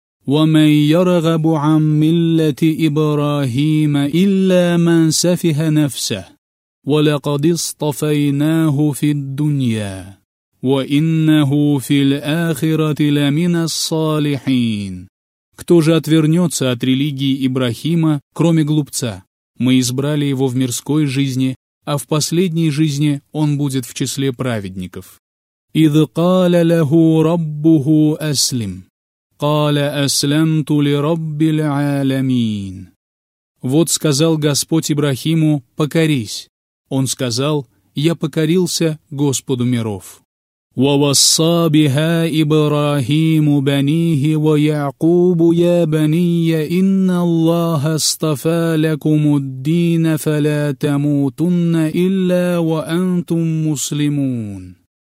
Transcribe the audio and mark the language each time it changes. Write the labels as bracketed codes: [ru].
[ar] وَمَنْ يَرَغَبُ عَنْ مِلَّةِ إِبْرَاهِيمَ إِلَّا مَنْ سَفِهَ نَفْسَهُ وَلَقَدِ اصْطَفَيْنَاهُ فِي الدُّنْيَا وَإِنَّهُ فِي الْآخِرَةِ لَمِنَ الصَّالِحِينَ. [ru] Кто же отвернется от религии Ибрахима, кроме глупца? Мы избрали его в мирской жизни, а в последней жизни он будет в числе праведников. [ar] إذ قال له ربه أسلم قال أسلمت لرب العالمين. [ru] Вот сказал Господь Ибрахиму: покорись. Он сказал: я покорился Господу миров. [ar] وَوَصَّى بِهَا إِبْرَاهِيمُ بَنِيهِ وَيَعْقُوبُ يَا بَنِيَّ إِنَّ اللَّهَ اصْطَفَى لَكُمُ الدِّينَ فَلَا تَمُوتُنَّ إِلَّا وَأَنْتُمْ مُسْلِمُونَ.